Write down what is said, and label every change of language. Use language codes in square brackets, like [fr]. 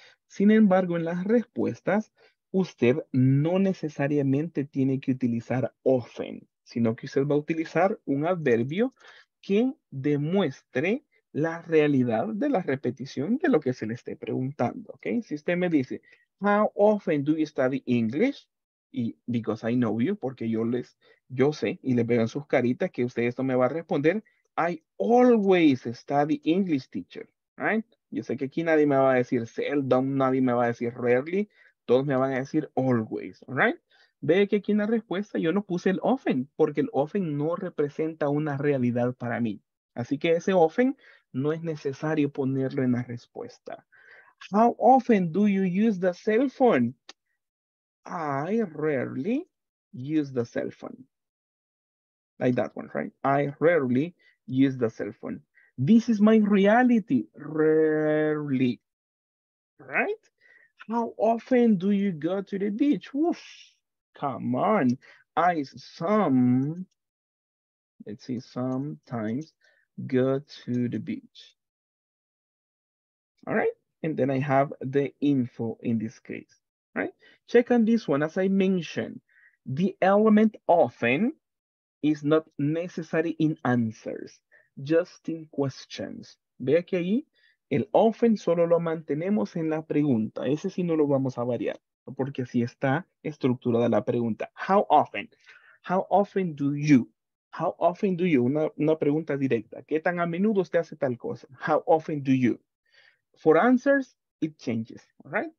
[es] Sin embargo, en las respuestas, usted no necesariamente tiene que utilizar often, sino que usted va a utilizar un adverbio que demuestre la realidad de la repetición de lo que se le esté preguntando, ¿ok? Si usted me dice, [en] how often do you study English? [es] Y [en] because I know you, [es] porque yo sé y les veo en sus caritas que usted esto me va a responder, [en] I always study English, teacher, right? [es] Yo sé que aquí nadie me va a decir seldom, nadie me va a decir rarely, todos me van a decir always, right? Ve que aquí en la respuesta yo no puse el often, porque el often no representa una realidad para mí. Así que ese often no es necesario ponerlo en la respuesta. [en] How often do you use the cell phone? I rarely use the cell phone. Like that one, right? I rarely use the cell phone. This is my reality, rarely, right? How often do you go to the beach? Woof, come on. Sometimes go to the beach. All right. And then I have the info in this case, right? Check on this one. As I mentioned, the element often is not necessary in answers, just in questions. [es] Vea que ahí el often solo lo mantenemos en la pregunta. Ese sí no lo vamos a variar, porque así está estructurada la pregunta. [en] How often? How often do you? How often do you? [es] Una pregunta directa. ¿Qué tan a menudo usted hace tal cosa? [en] How often do you? For answers, it changes, right?